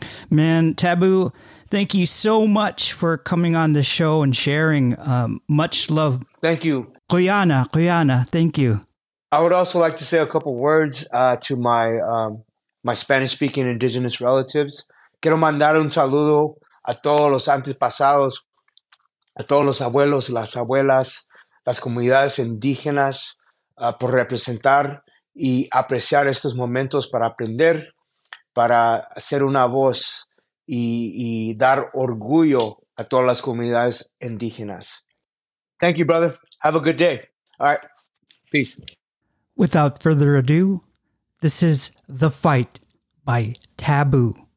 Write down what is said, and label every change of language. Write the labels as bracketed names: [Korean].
[English] Man, Taboo, thank you so much for coming on the show and sharing. Much love. Thank you. Kuyana, thank you. I would also like to say a couple words to my Spanish-speaking indigenous relatives. [Spanish] Quiero mandar un saludo a todos los antepasados, a todos los abuelos, las abuelas, las comunidades indígenas, por representar y apreciar estos momentos para aprender, para ser una voz y dar orgullo a todas las comunidades indígenas. [English] Thank you, brother. Have a good day. All right. Peace. Without further ado, this is The Fight by Taboo.